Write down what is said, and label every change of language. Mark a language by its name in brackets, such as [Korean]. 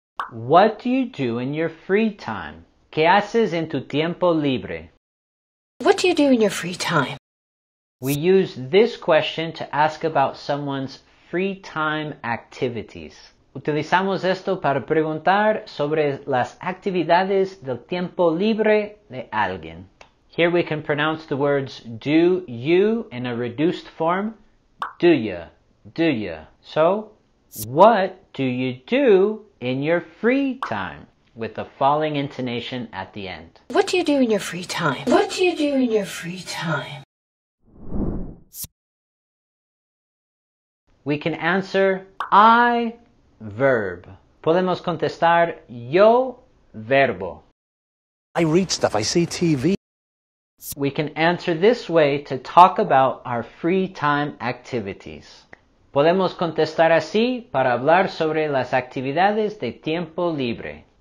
[English] What do you do in your free time? [Spanish] ¿Qué haces en tu tiempo libre? [English] What do you do in your free time? We use this question to ask about someone's free time activities. [Spanish] Utilizamos esto para preguntar sobre las actividades del tiempo libre de alguien. [English] Here we can pronounce the words do you in a reduced form, do ya, do ya. So, what do you do in your free time? With the falling intonation at the end. What do you do in your free time? What do you do in your free time? We can answer I, verb. [Spanish] Podemos contestar yo, verbo. [English] I read stuff, I see TV. We can answer this way to talk about our free time activities. [Spanish] Podemos contestar así para hablar sobre las actividades de tiempo libre.